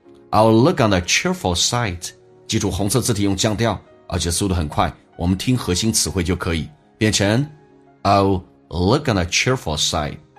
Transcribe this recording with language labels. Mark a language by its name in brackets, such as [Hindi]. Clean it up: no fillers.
[English] I would look on the cheerful side。 [Chinese] 记住红色字体用降调，而且速度很快。我们听核心词汇就可以变成 I'll look on the cheerful side.